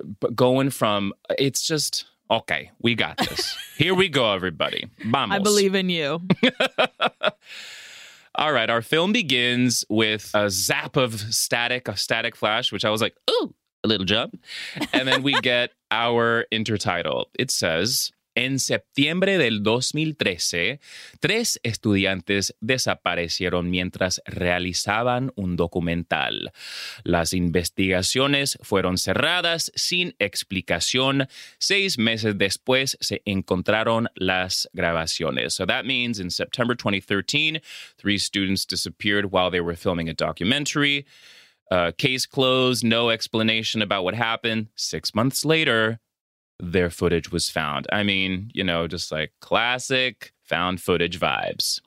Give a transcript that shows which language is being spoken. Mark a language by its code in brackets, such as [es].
[en] But going from, it's just, okay, we got this. Here we go, everybody. Vamos. I believe in you. All right, our film begins with a zap of static, a static flash, which I was like, ooh, a little jump. And then we get our intertitle. It says, [es] En septiembre del 2013, tres estudiantes desaparecieron mientras realizaban un documental. Las investigaciones fueron cerradas sin explicación. 6 meses después se encontraron las grabaciones. [en] So that means in September 2013, 3 students disappeared while they were filming a documentary. Case closed, no explanation about what happened. 6 months later, their footage was found. I mean, you know, just like classic found footage vibes.